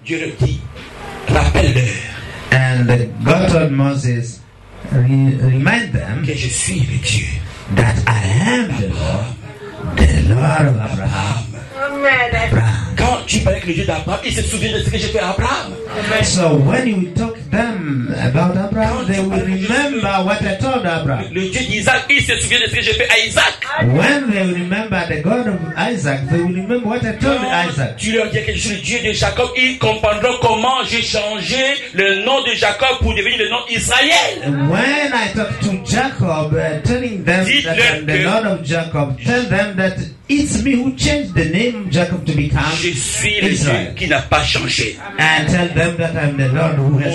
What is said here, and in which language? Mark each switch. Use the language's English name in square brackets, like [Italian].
[French] Dieu leur dit, rappelle-leur. [English] And God told Moses, remind them [French] que je suis le Dieu. [English] That I am Abraham. The Lord of Abraham. Abraham. [French] Quand tu parles avec le Dieu d'Abraham, ils se souviennent de ce que j'ai fait à Abraham. [English] So when you talk them about Abraham, they will remember what I told Abraham. [French] Le Dieu d'Isaac, il se souvient de ce que j'ai fait à Isaac. [English] When they remember the God of Isaac, they will remember what I told Isaac. [French] Tu leur dis que je suis le Dieu de Jacob, ils comprendront comment j'ai changé le nom de Jacob pour devenir le nom Israël. [English] When I talk to Jacob, telling them that I'm the Lord of Jacob, tell them that it's me who changed the name Jacob to become Israel. [French] Je suis le Dieu qui n'a pas changé. [English] And tell them that I'm the Lord who has